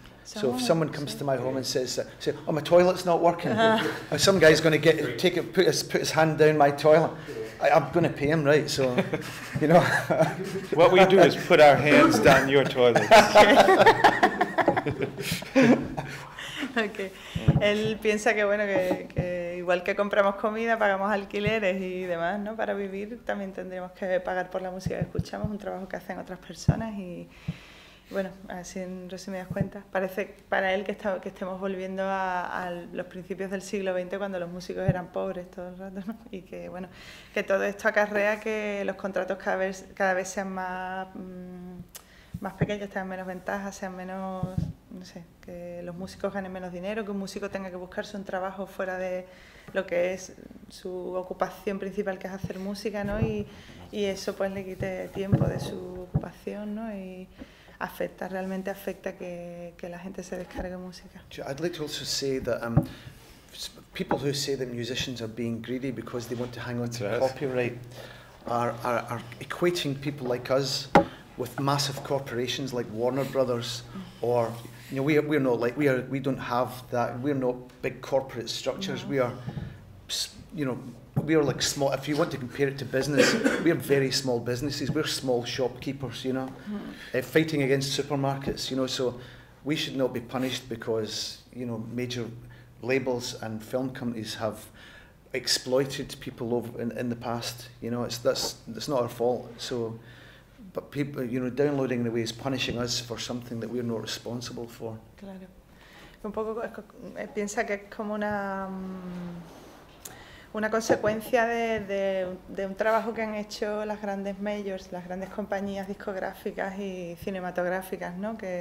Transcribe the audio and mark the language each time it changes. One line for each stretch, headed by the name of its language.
English: So if someone comes to my home and says, oh, my toilet's not working, some guy's going to get take it, put his hand down my toilet, I'm going to pay him, right? So, you know. What we do is put our hands down your toilet. Okay.
Spanish: Él piensa que, bueno, que igual que compramos comida, pagamos alquileres y demás, ¿no? Para vivir también tendríamos que pagar por la música que escuchamos, un trabajo que hacen otras personas y, bueno, así en resumidas cuentas. Parece para él que estemos volviendo a los principios del siglo XX cuando los músicos eran pobres todo el rato, ¿no? Y que, bueno, que todo esto acarrea que los contratos cada vez sean más pequeños, tengan menos ventajas, sean menos no sé, que los músicos ganen menos dinero, que un músico tenga que buscarse un trabajo fuera de lo que es su ocupación principal, que es hacer música, ¿no? Y eso pues le quite tiempo de su ocupación, ¿no? Y afecta, realmente afecta que la gente se descargue música.
English: I'd like to also say that people who say that musicians are being greedy because they want to hang on to copyright are equating people like us with massive corporations like Warner Brothers, or you know, we're not big corporate structures. No. We are, you know, we are like small. If you want to compare it to business, we are very small businesses. We're small shopkeepers, you know, fighting against supermarkets, you know. So we should not be punished because, you know, major labels and film companies have exploited people over in the past. You know, that's not our fault. So. But people, you know, downloading in a way is punishing us for something that we're not responsible for.
Spanish: Claro. Un poco piensa que es como una consecuencia de un trabajo que han hecho las grandes majors, las grandes compañías discográficas y cinematográficas, ¿no?